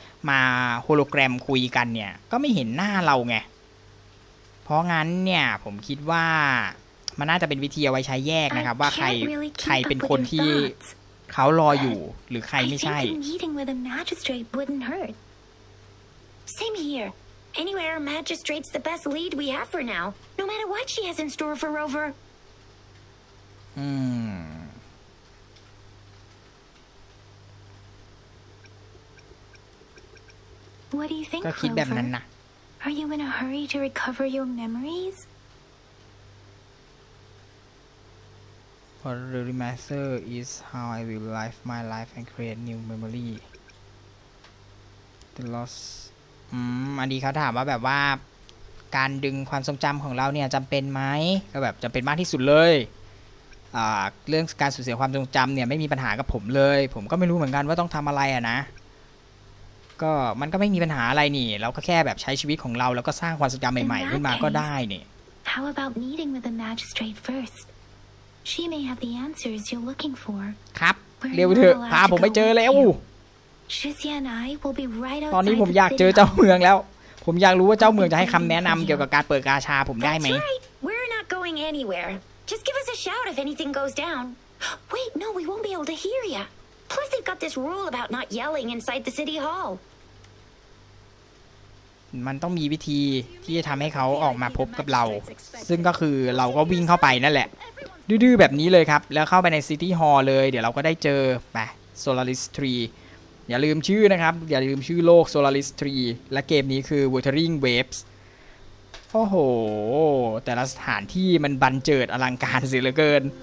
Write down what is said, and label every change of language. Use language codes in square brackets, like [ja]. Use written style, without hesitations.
[th] มาโฮโลแกรมคุยกันเนี่ยก็ไม่เห็นหน้าเราไงเพราะงั้นเนี่ยผมคิดว่ามันน่าจะเป็นวิธีเอาไว้ใช้แยกนะครับว่าใครเป็นคนที่เขารออยู่หรือใครไม่ใช่ [en] with a magistrate wouldn't hurt. Same here. Anyway, our magistrate's the best lead we have for now. No matter what she has in store for Rover. What do you think, Rover? Are you in a hurry to recover your memories? What really matters is how I will live my life and create new memory. The loss. [th] อันนี้เขาถามว่าแบบว่าการดึงความทรงจำของเราเนี่ยจำเป็นไหมก็แบบจำเป็นมากที่สุดเลยเรื่องการสูญเสียความทรงจำเนี่ยไม่มีปัญหากับผมเลยผมก็ไม่รู้เหมือนกันว่าต้องทำอะไรอะนะก็มันก็ไม่มีปัญหาอะไรนี่เราก็แค่แบบใช้ชีวิตของเราแล้วก็สร้างความทรงจำใหม่ๆขึ้นมาก็ได้นี่ [en] How about meeting with the magistrate first? She may have the answers you're looking for. [th] ครับเร็วเถอะพาผมไปเจอแล้ว [en] Shizia and I will be right outside. [th] ตอนนี้ผมอยากเจอเจ้าเมืองแล้วผมอยากรู้ว่าเจ้าเมืองจะให้คำแนะนำเกี่ยวกับการเปิดกาชาผมได้ไหม [en] We're not going anywhere. Just give us a shout if anything goes down. Wait, no, we won't be able to hear ya. Plus they've got this rule about not yelling inside the city hall. [th] มันต้องมีวิธีที่จะทำให้เขาออกมาพบกับเราซึ่งก็คือเราก็วิ่งเข้าไปนั่นแหละดื้อๆแบบนี้เลยครับแล้วเข้าไปในซิตี้ฮอลเลยเดี๋ยวเราก็ได้เจอไปโซลาริสทรีอย่าลืมชื่อนะครับอย่าลืมชื่อโลกโซลาริสทรีและเกมนี้คือ Wuthering Waves โอ้โหแต่ละสถานที่มันบันเจิดอลังการเสียเหลือเกิน